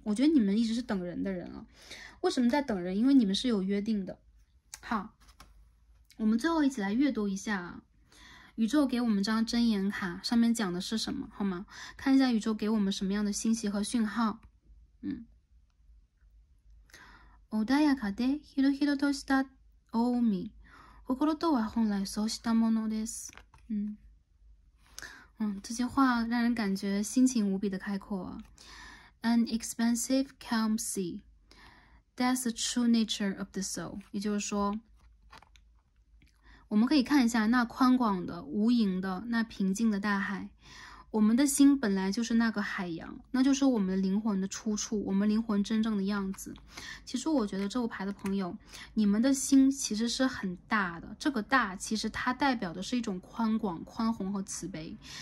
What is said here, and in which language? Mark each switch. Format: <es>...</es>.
<zh>我觉得你们一直是等人的人啊。为什么在等人？因为你们是有约定的。好，我们最后一起来阅读一下宇宙给我们张真言卡，上面讲的是什么，好吗？看一下宇宙给我们什么样的信息和讯号。</zh> <ja>穏やかで広々とした大海、心とは本来そうしたものです。</ja> <zh>这句话让人感觉心情无比的开阔啊。</zh> <en>An expansive calm sea, that's the true nature of the soul.</en> <zh>也就是说，我们可以看一下那宽广的、无垠的、那平静的大海。我们的心本来就是那个海洋，那就是我们灵魂的出处，我们灵魂真正的样子。其实我觉得这副牌的朋友，你们的心其实是很大的，这个大其实它代表的是一种宽广、宽宏和慈悲。</zh>